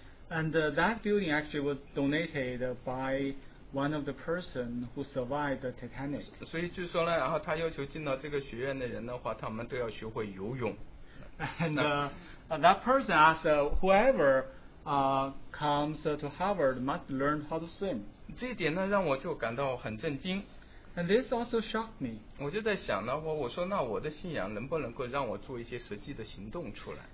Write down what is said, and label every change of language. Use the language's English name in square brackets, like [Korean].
[English] And that building actually was donated by one of the person who survived the Titanic. [Chinese] 所以据说呢，然后他要求进到这个学院的人的话，他们都要学会游泳。 [English] And that person asked, whoever comes to Harvard must learn how to swim. [Chinese] 这一点呢，让我就感到很震惊。 [English] And this also shocked me. [Chinese] 我就在想呢，我说那我的信仰能不能够让我做一些实际的行动出来。